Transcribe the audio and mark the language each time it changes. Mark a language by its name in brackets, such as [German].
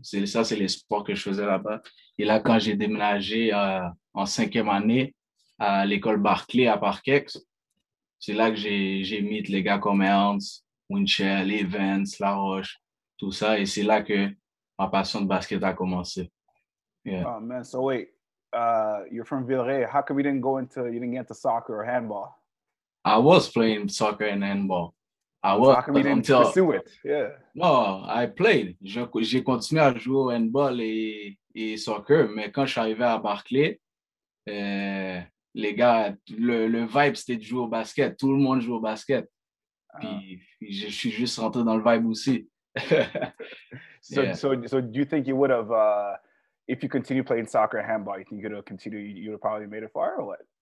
[French] C'est les sports que je faisais là-bas. Et là, quand j'ai déménagé en cinquième année à l'école Barclay à Park Kex, c'est là que j'ai mis les gars comme Ernst, Winchell, Evans, La Roche, tout ça. Et c'est là que ma passion de basket a commencé. [English] Yeah. Oh man, so wait, you're from Villeray. How come you didn't get into soccer or handball? I was playing soccer and handball. How come you didn't pursue it? Yeah. No, I played. [French] J'ai continué à jouer au handball et soccer, mais quand je suis arrivé à Barclay, les gars, le vibe c'était de jouer au basket. Tout le monde joue au basket. Puis je suis juste rentré dans le vibe aussi. [English] So do you think you would have, if you continue playing soccer or handball, you think you'd have continued, you would have probably made it far or what?